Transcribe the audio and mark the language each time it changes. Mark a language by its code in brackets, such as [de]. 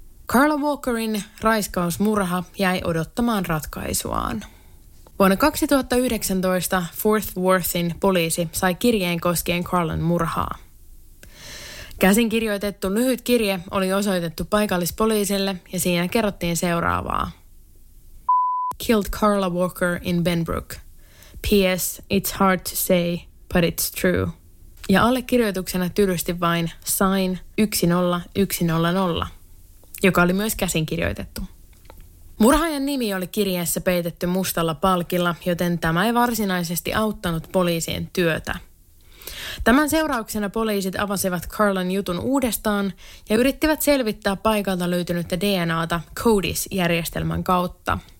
[fi] Carla Walkerin raiskausmurha jäi odottamaan ratkaisuaan. Vuonna 2019 Fort Worthin poliisi sai kirjeen koskien Carlan murhaa. Käsin kirjoitettu lyhyt kirje oli osoitettu paikallispoliisille ja siinä kerrottiin seuraavaa. [en] Killed Carla Walker in Benbrook. P.S. It's hard to say, but it's true. [fi] Ja allekirjoituksena tylysti vain sign 10100, joka oli myös käsin kirjoitettu. Murhaajan nimi oli kirjeessä peitetty mustalla palkilla, joten tämä ei varsinaisesti auttanut poliisien työtä. Tämän seurauksena poliisit avasivat Carlan jutun uudestaan ja yrittivät selvittää paikalta löytynyttä DNAta CODIS-järjestelmän kautta.